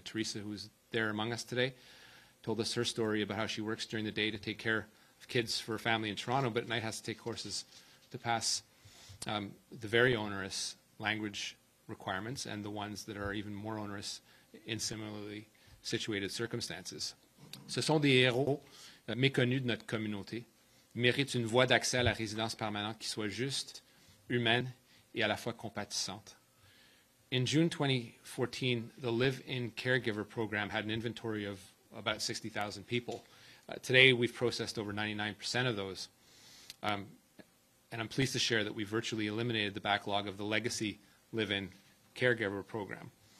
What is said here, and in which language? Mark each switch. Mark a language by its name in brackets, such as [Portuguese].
[English] Teresa, who's there among us today, told us her story about how she works during the day to take care of kids for a family in Toronto, but at night has to take courses to pass the very onerous language requirements and the ones that are even more onerous in similarly situated circumstances. [French] Ce sont des héros méconnus de notre communauté. Ils méritent une voie d'accès à la résidence permanente qui soit juste, humaine et à la fois compatissante. [English] In June 2014, the Live-In Caregiver Program had an inventory of about 60,000 people. Today, we've processed over 99% of those. And I'm pleased to share that we virtually eliminated the backlog of the legacy Live-In Caregiver Program.